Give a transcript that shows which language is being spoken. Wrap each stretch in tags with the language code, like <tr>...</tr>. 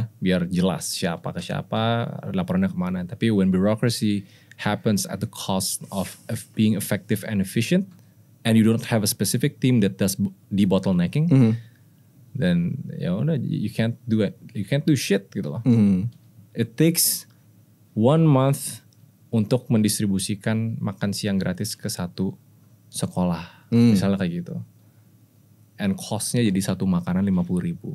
<id>Biar jelas siapa ke siapa, laporannya kemana.</id> <en>Tapi when bureaucracy happens at the cost of being effective and efficient, and you don't have a specific team that does de-bottlenecking, then</en> <id>ya udah,</id> <en>you can't do it. You can't do shit</en> <id>gitu loh.</id> <en>It takes 1 month</en> <id>untuk mendistribusikan makan siang gratis ke satu sekolah. Misalnya kayak gitu.</id> <en>And</en> <id>costnya jadi satu makanan 50.000.</id>